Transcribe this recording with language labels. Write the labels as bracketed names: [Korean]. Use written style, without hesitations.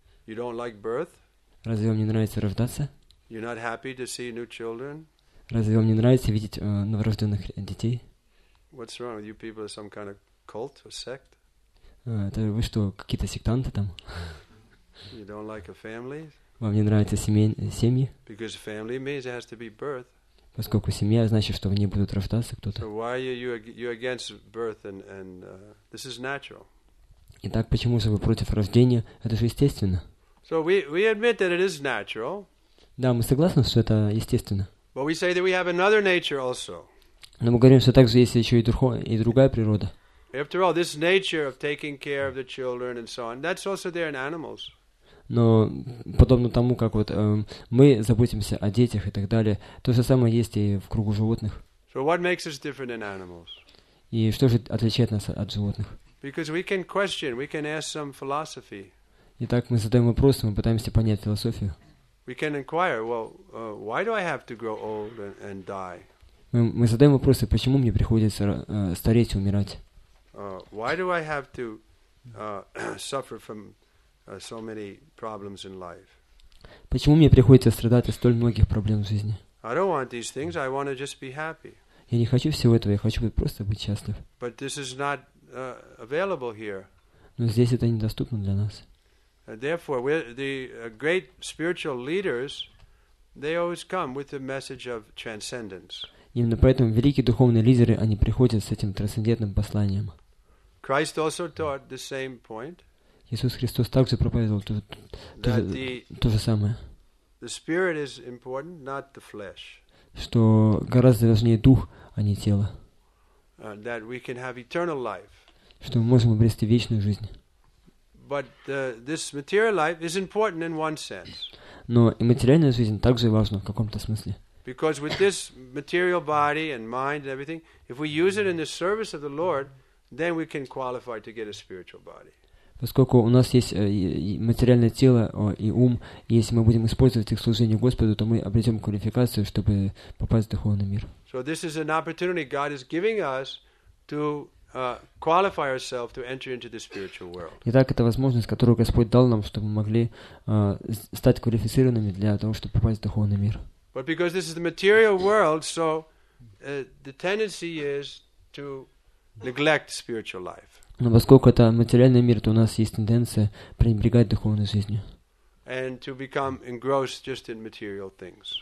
[English] You don't like birth? [Russian] Разве вам не нравится рождаться? [English] You're not happy to see new children? [Russian] Разве вам не нравится видеть новорожденных детей? [English] What's wrong with you people? Some kind of cult or sect? [Russian] Это вы что, какие-то сектанты там? [English] You don't like a family? [Russian] Вам не нравятся семьи? [English] Because family means it has to be birth. [Russian] Поскольку семья значит, что в ней будут рождаться кто-то. [English] So why are you against birth and this is natural? [Russian] Итак, почему же вы против рождения? Это же естественно. [English] So we admit that it is natural. [Russian] Да, мы согласны, что это естественно. [English] But we say that we have another nature also. [Russian] Но мы говорим, что также есть еще и другая природа. [English] After all, this nature of taking care of the children and so on, that's also there in animals. [Russian] Но подобно тому, как вот мы заботимся о детях и так далее, то же самое есть и в кругу животных. [English] So what makes us different in animals? [Russian] И что же отличает нас от животных? [English] Because we can question, we can ask some philosophy. [Russian] Итак, мы задаем вопрос, мы пытаемся понять философию. [English] We can inquire, well, why do I have to grow old and die? [Russian] Мы задаем вопросы, почему мне приходится стареть и умирать? [English] Why do I have to suffer from so many problems in life? [Russian] Почему мне приходится страдать от столь многих проблем в жизни? [English] I don't want these things, I want to just be happy. [Russian] Я не хочу всего этого, я хочу просто быть счастлив. [English] But this is not available here. [Russian] Но здесь это недоступно для нас. [English] Therefore, the great spiritual leaders, they always come with the message of transcendence. [Russian] Именно поэтому великие духовные лидеры, они приходят с этим трансцендентным посланием. [English] Christ also taught the same point. [Russian] Иисус Христос также проповедовал то же самое. [English] The spirit is important, not the flesh. [Russian] Что гораздо важнее дух, а не тело. [English] That we can have eternal life. [Russian] Что мы можем обрести вечную жизнь. [English] But this material life is important in one sense. [Russian] Но и материальная жизнь также важна в каком-то смысле. [English] Because with this material body and mind and everything, if we use it in the service of the Lord, then we can qualify to get a spiritual body. [Russian] Поскольку у нас есть материальное тело и ум, и если мы будем использовать их в служении Господу, то мы обретем квалификацию, чтобы попасть в духовный мир. [English] So this is an opportunity God is giving us to qualify ourselves to enter into the spiritual world. [Russian] Итак, это возможность, которую Господь дал нам, чтобы мы могли стать квалифицированными для того, чтобы попасть в духовный мир. [English] But because this is the material world, so the tendency is to neglect spiritual life. [Russian] Но поскольку это материальный мир, то у нас есть тенденция пренебрегать духовной жизнью. [English] And to become engrossed just in material things.